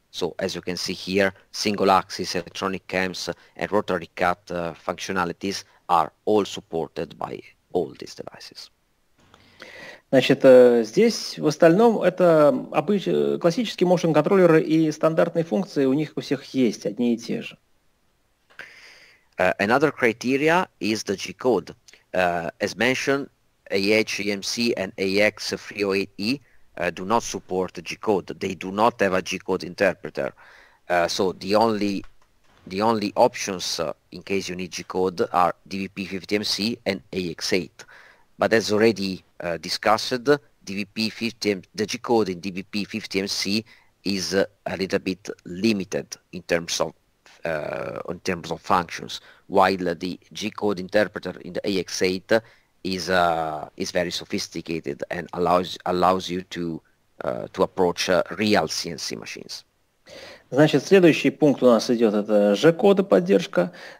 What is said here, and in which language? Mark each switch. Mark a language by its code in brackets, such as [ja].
[en] So as you can see here, single axis, electronic cams, and rotary cut functionalities are all supported by all these devices. [ru] Значит, здесь в остальном это классические motion controllers и стандартные функции у них у всех есть, одни и те же. [en] Another criteria is the G-code. As mentioned, AHMC and AX308E do not support the G-code. They do not have a G-code interpreter. So the only options in case you need G-code are DVP-50MC and AX8. But as already discussed, the G-code in DVP-50MC is a little bit limited in terms of functions, while the G-code interpreter in the AX8 is very sophisticated and allows you to approach real CNC machines. [ru] Значит, следующий пункт у нас идет, это G-кода поддержка.